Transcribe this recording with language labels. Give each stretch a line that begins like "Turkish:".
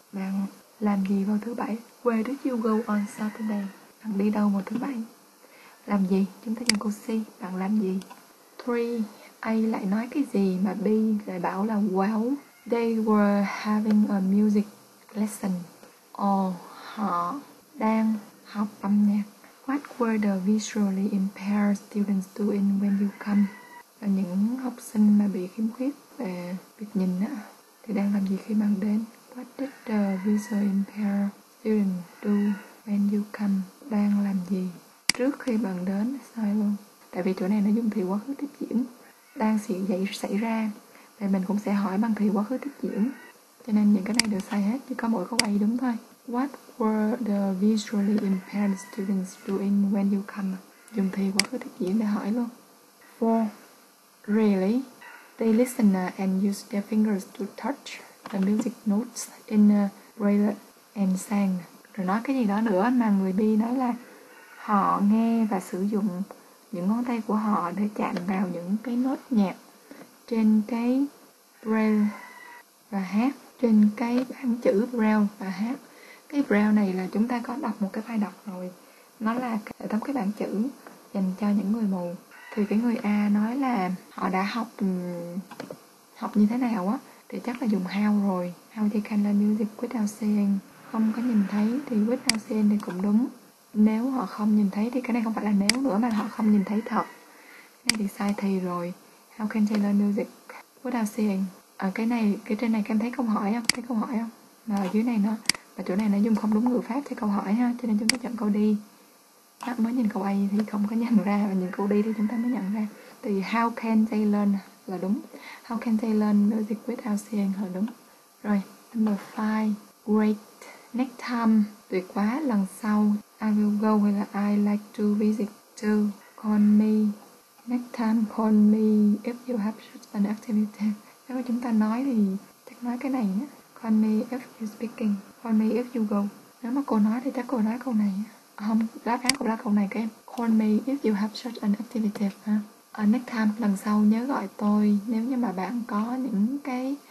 Vietnamese: Bạn làm gì vào thứ bảy?
English: Where did you go on Saturday?
Vietnamese: Bạn đi đâu vào thứ bảy? Làm gì? Chúng ta dùng câu C. Bạn làm gì? 3. A lại nói cái gì mà B lại bảo là
English: well, they were having a music lesson.
Vietnamese: Họ đang học âm nhạc.
English: What were the visually impaired students doing when you come?
Vietnamese: Là những học sinh mà bị khiếm khuyết về việc nhìn á, thì đang làm gì khi bạn đến?
English: What did the visually impaired students do when you come?
Vietnamese: Đang làm gì trước khi bạn đến? Sai luôn. Tại vì chỗ này nó dùng thì quá khứ tiếp diễn. Đang sự dậy xảy ra. Vậy mình cũng sẽ hỏi bằng thì quá khứ tiếp diễn. Cho nên những cái này đều sai hết, chỉ có mỗi câu ấy đúng thôi.
English: What were the visually impaired students doing when you come?
Vietnamese: Dùng thì quá khứ tiếp diễn để hỏi luôn.
English: 4. Really? They listen and use their fingers to touch the music notes in braille and sang.
Vietnamese: Rồi nói cái gì đó nữa mà người B nói là họ nghe và sử dụng những ngón tay của họ để chạm vào những cái nốt nhạc trên cái braille và hát, trên cái bảng chữ braille và hát. Cái braille này là chúng ta có đọc một cái bài đọc rồi, nó là hệ thống cái bảng chữ dành cho những người mù. Thì cái người A nói là họ đã học học như thế nào á, thì chắc là dùng how rồi.
English: How they can learn music without seeing.
Vietnamese: Không có nhìn thấy thì
English: without seeing
Vietnamese: thì cũng đúng. Nếu họ không nhìn thấy thì cái này không phải là nếu nữa mà họ không nhìn thấy thật. Cái này thì sai thì rồi.
English: How can they learn music without seeing?
Vietnamese: Ở cái này, cái trên này các em thấy câu hỏi không? Thấy câu hỏi không? Mà ở dưới này nó, mà chỗ này nó dùng không đúng ngữ pháp thì câu hỏi ha. Cho nên chúng ta chọn câu đi. Mới nhìn câu A thì không có nhận ra, và nhìn câu đi thì chúng ta mới nhận ra.
English: Thì how can they learn
Vietnamese: là đúng.
English: How can they learn music without seeing
Vietnamese: là đúng.
English: Rồi, number 5. Great. Next time.
Vietnamese: Tuyệt quá, lần sau.
English: I will go hay là I like to visit to call me. Next time call me if you have an activity.
Vietnamese: Nếu mà chúng ta nói thì chắc nói cái này nhé.
English: Call me if you speaking. Call me if you go.
Vietnamese: Nếu mà cô nói thì chắc cô nói câu này. Không, đáp án cũng là câu này các em.
English: Call me if you have such an activity. Next time,
Vietnamese: lần sau nhớ gọi tôi. Nếu như mà bạn có những cái